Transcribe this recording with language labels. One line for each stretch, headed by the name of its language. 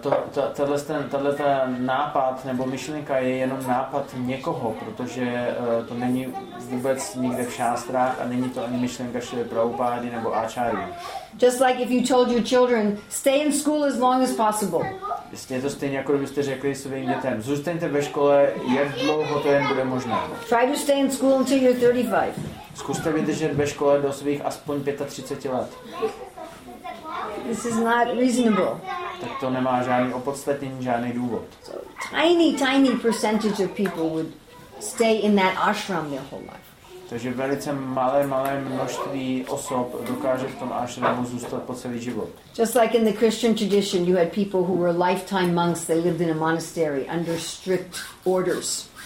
Czech: Tato nápad nebo myšlenka je jenom nápad někoho, protože to není vůbec nikde v šástrách a není to ani myšlenka Šrily Prabhupády nebo Ačárií.
English: Just like if you told your children, stay in school as long as possible.
Czech: Je to stejně, jako kdybyste řekli svým dětem, zůstaňte ve škole, jak dlouho to jen bude možné.
English: Try to stay in school until you're 35.
Czech: Zkuste vydržet ve škole do svých aspoň 35 let.
English: This is not reasonable.
Czech: Tak to nemá žádný opodstatnění, žádný důvod.
English: So, tiny percentage of people would stay in that ashram their whole life.
Czech: Takže velice malé množství osob dokáže v tom ashramu zůstat po celý život.
English: Just like in the Christian tradition, you had people who were lifetime monks, they lived in a monastery under strict orders.